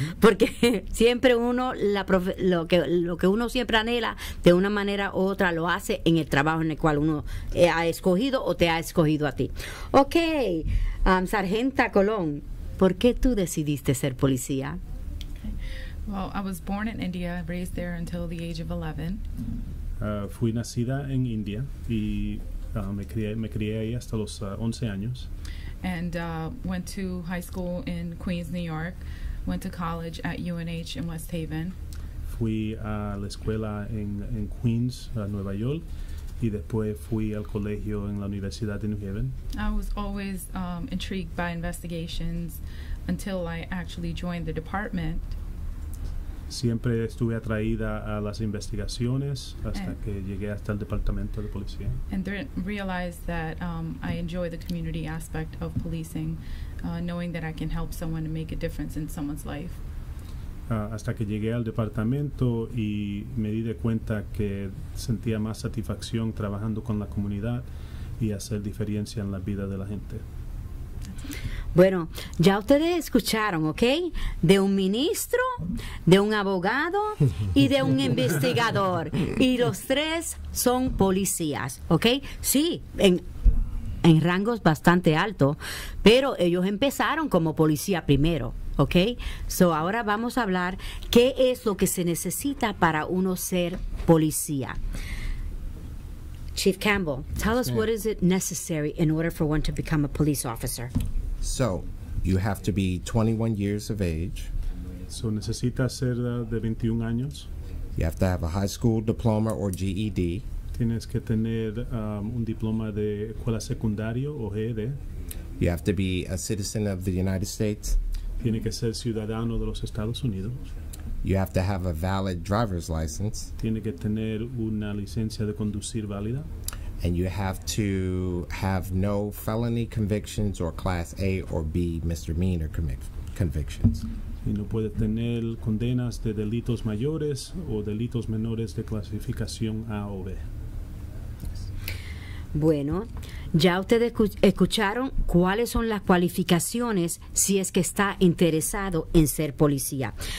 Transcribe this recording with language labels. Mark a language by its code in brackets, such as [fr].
[es] Porque siempre uno, lo que uno siempre anhela, de una manera u otra lo hace en el trabajo en el cual uno ha escogido o te ha escogido a ti. Ok, Sargenta Colón, ¿por qué tú decidiste ser policía? [en] Well, I was born in India, raised there until the age of 11. [es] Fui nacida en India y me crié ahí hasta los 11 años. [en] And went to high school in Queens, New York. Went to college at UNH in West Haven. [es] Fui a la escuela en Queens, Nueva York. Y después fui al colegio en la Universidad de New Haven. [en] I was always intrigued by investigations until I actually joined the department. [es] Siempre estuve atraída a las investigaciones hasta que llegué hasta el departamento de policía. [en] And realized that I enjoy the community aspect of policing, knowing that I can help someone and make a difference in someone's life. [es] Hasta que llegué al departamento y me di de cuenta que sentía más satisfacción trabajando con la comunidad y hacer diferencia en la vida de la gente. Bueno, ya ustedes escucharon, ¿ok? De un ministro, de un abogado y de un investigador. Y los tres son policías, ¿ok? Sí, en rangos bastante altos, pero ellos empezaron como policía primero, ¿ok? So, ahora vamos a hablar qué es lo que se necesita para uno ser policía. [en] Chief Campbell, tell us, what is it necessary in order for one to become a police officer? So, you have to be 21 years of age. [es] So, necesitas ser de 21 años. [en] You have to have a high school diploma or GED. [es] Tienes que tener un diploma de escuela secundaria o GED. [en] You have to be a citizen of the United States. [es] Tiene que ser ciudadano de los Estados Unidos. [en] You have to have a valid driver's license. [es] Tiene que tener una licencia de conducir válida. [en] And you have to have no felony convictions or class A or B misdemeanor convictions. [es] Y no puede tener condenas de delitos mayores o delitos menores de clasificación A o B. Bueno, ya ustedes escucharon cuáles son las cualificaciones si es que está interesado en ser policía.